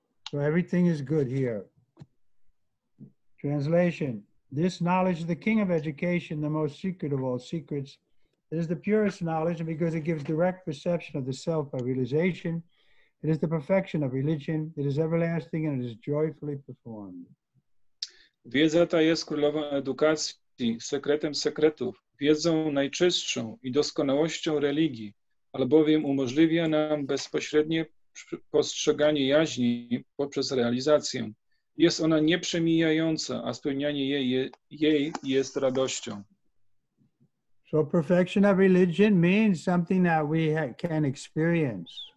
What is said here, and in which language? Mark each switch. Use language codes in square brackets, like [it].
[en] So everything is good here. Translation. This knowledge, the king of education, the most secret of all secrets, it is the purest knowledge because it gives direct perception of the self by realization. It is the perfection of religion. It is everlasting and it is joyfully performed. [pl] Wiedza ta jest królową edukacji, sekretem sekretów, wiedzą najczystszą i doskonałością religii, albowiem umożliwia nam bezpośrednie postrzeganie jaźni poprzez realizację. Jest ona nieprzemijająca, a spełnianie jej jest radością. [en] So perfection of religion means something that we can experience.